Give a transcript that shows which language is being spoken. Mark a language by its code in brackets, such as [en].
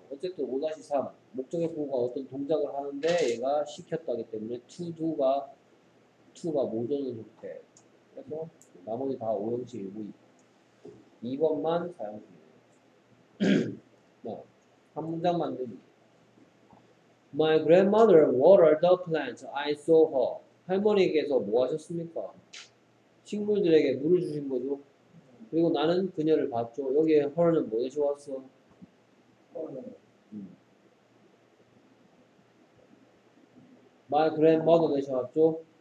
[ko] 어쨌든 5-3 목적의 보호가 어떤 동작을 하는데 얘가 시켰다기 때문에 2가 모든 형태 그래서 나머지 다 5형식 일부 2번만 사용 중이에요. 한 문장 만듭니다. [en] My grandmother watered the plants I saw her. [ko] 할머니께서 뭐 하셨습니까? 식물들에게 물을 주신 거죠. 그리고 나는 그녀를 봤죠. 여기에 her는 뭐 대신 왔어? [en] My grandmother [ko] 대신 왔죠.